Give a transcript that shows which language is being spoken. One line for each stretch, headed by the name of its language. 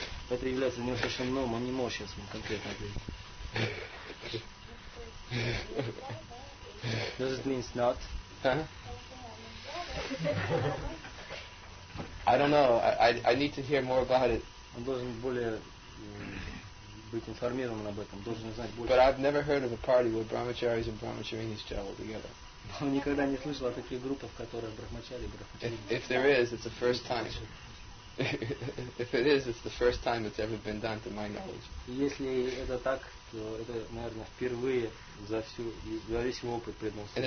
Russian: Это является для него совершенно новым, он не может сейчас ему конкретно ответить.
English: Does it mean not? I don't know. I need to hear more about it.
Russian: Он должен более быть информирован об этом, должен знать больше.
English: But I've never heard of a party where brahmacharis and brahmacharinis travel together.
Russian: Он никогда не слышал о таких группах, которые брахмачари и брахмачарини.
English: If there is, it's the first time. If it is, it's the first time it's ever been done, to my knowledge.
Russian: Если это так, то это, наверное, впервые за весь мой опыт преданного служения.